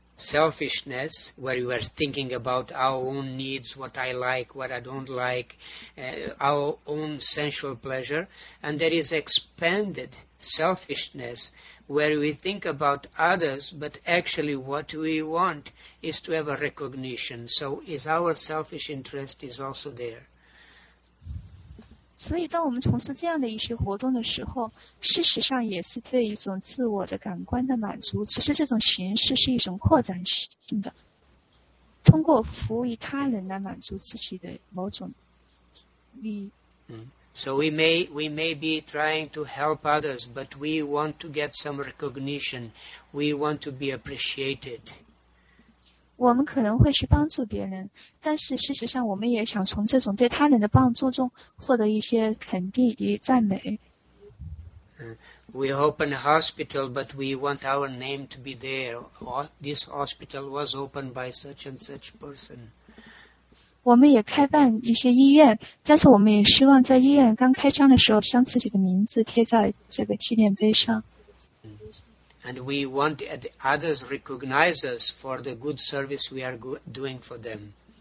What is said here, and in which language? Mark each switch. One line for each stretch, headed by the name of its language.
English: Selfishness, where you are thinking about our own needs, what I like, what I don't like, our own sensual pleasure. And there is expanded selfishness, where we think about others, but actually what we want is to have a recognition. So is our selfish interest is also there.
Chinese: 所以当我们从事这样的一些活动的时候，事实上也是对一种自我的感官的满足，其实这种形式是一种扩展性的，通过服务于他人来满足自己的某种利益。
English: So we may be trying to help others, but we want to get some recognition. We want to be appreciated.
Chinese: 我们可能会去帮助别人，但是事实上我们也想从这种对他人的帮助中获得一些肯定与赞美。
English: We open a hospital, but we want our name to be there. This hospital was opened by such and such person.
Chinese: 我们也开办一些医院，但是我们也希望在医院刚开张的时候将自己的名字贴在这个纪念碑上。
English: And we want others to recognize us for the good service we are doing for them.